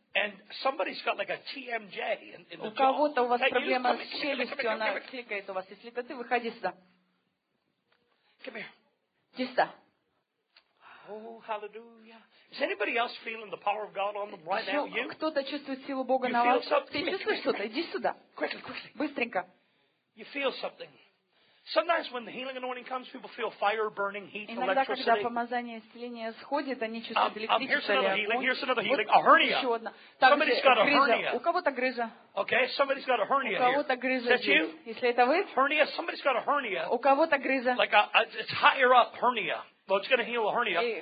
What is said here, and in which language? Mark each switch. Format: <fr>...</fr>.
<en>And somebody's got like a TMJ in the jaw.</en> <ru>У кого-то у вас проблема с челюстью, она кликает у вас. Если это ты, выходи сюда.</ru> <en>Come here.</en> <ru>Чисто.</ru> <en>Oh, hallelujah. Is anybody else feeling the power of God on them right now? You?</en> <ru>Кто-то чувствует силу Бога на вас? Ты чувствуешь что-то? Иди сюда.</ru> <en>Quickly, quickly.</en> <ru>Быстренько.</ru> <en>You feel something. Sometimes when the healing anointing comes, people feel fire burning, heat, electricity.</en> <ru>Иногда, когда помазание исцеления сходит, они чувствуют электричество.</ru> <en>Here's another healing. Here's another healing. A hernia.</en> <ru>Еще одна.</ru> <en>Somebody's got a hernia.</en> <ru>У кого-то грыжа.</ru> <en>Okay, somebody's got a hernia.</en> <ru>У кого-то грыжа.</ru> <en>Is that you?</en> <ru>Если это вы?</ru> <en>Hernia. Somebody's got a hernia.</en> <ru>У кого-то грыжа.</ru> <en>Like a, it's higher up hernia. Well, it's going to heal a hernia.</en>